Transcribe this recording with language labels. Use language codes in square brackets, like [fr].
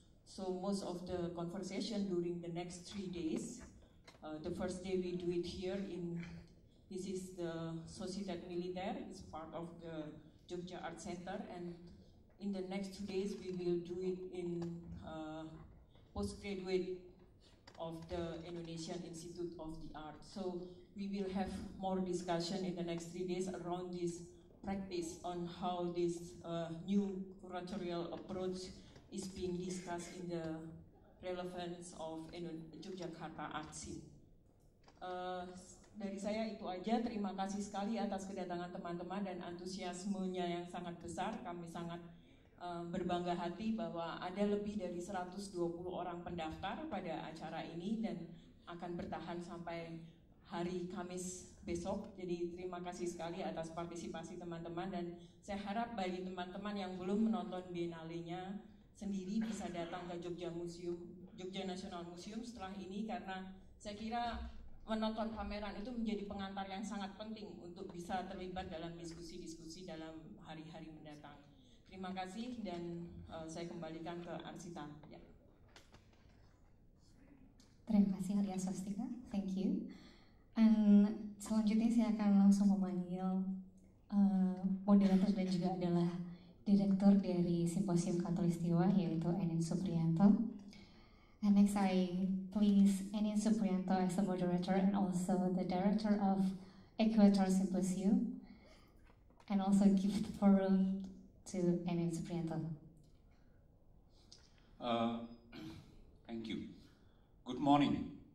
[en] So most of the conversation during the next 3 days, the first day we do it here in, this is the Societat Militaire, it's part of the Jogja Art Center, and in the next 2 days we will do it in postgraduate of the Indonesian Institute of the Art. So we will have more discussion in the next 3 days around this practice on how this new curatorial approach is being discussed in the relevance of Yogyakarta art scene. [id] Dari saya itu aja, terima kasih sekali atas kedatangan teman-teman dan antusiasmenya yang sangat besar. Kami sangat berbangga hati bahwa ada lebih dari 120 orang pendaftar pada acara ini dan akan bertahan sampai hari Kamis besok. Jadi terima kasih sekali atas partisipasi teman-teman, dan saya harap bagi teman-teman yang belum menonton Biennale-nya sendiri bisa datang ke Jogja Museum, Jogja National Museum setelah ini, karena saya kira menonton pameran itu menjadi pengantar yang sangat penting untuk bisa terlibat dalam diskusi-diskusi dalam hari-hari mendatang. Terima kasih, dan saya kembalikan ke Arsita. Ya. Terima kasih, Arya Sastika. [en] Thank you. [id] And selanjutnya saya akan langsung memanggil moderator dan juga adalah direktur dari Simposium Katulistiwa, yaitu Enin Suprianto. [en] And next I please Enin Suprianto as the moderator and also the director of Equator Symposium, and also give the forum to Enin Suprianto. Thank you. Good morning.